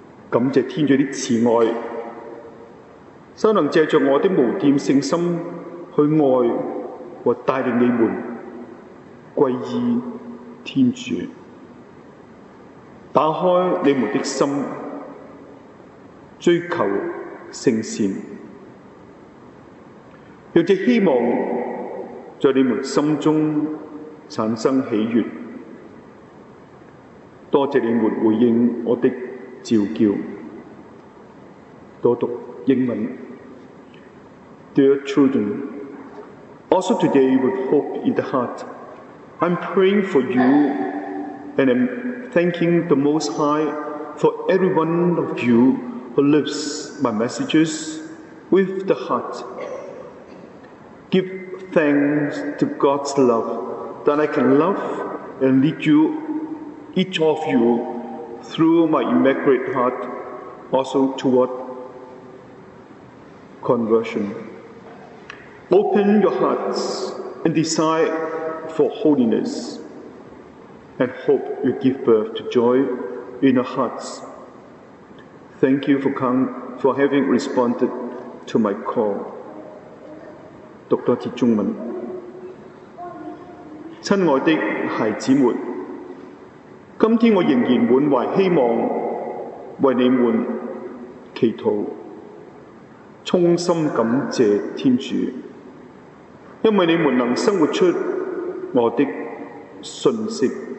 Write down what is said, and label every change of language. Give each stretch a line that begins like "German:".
Chinese: 感谢天主的慈爱，稍能借着我的无玷圣心去爱和带领你们归依天主，打开你们的心，追求圣善，让这希望在你们心中产生喜悦。多谢你们回应我的召叫。多读英文。
English: Dear children, also today with hope in the heart,I'm praying for you and I'm thanking the Most High for every one of you who lives my messages with the heart. Give thanks to God's love that I can love and lead you, each of you, through my immaculate heart, also toward conversion. Open your hearts and desire. For holiness and hope you give birth to joy in our hearts. Thank you for having responded to my call.
Chinese: 读多次中文。亲爱的孩子们，今天我仍然满怀希望为你们祈祷，衷心感谢天主，因为你们能生活出我的信息。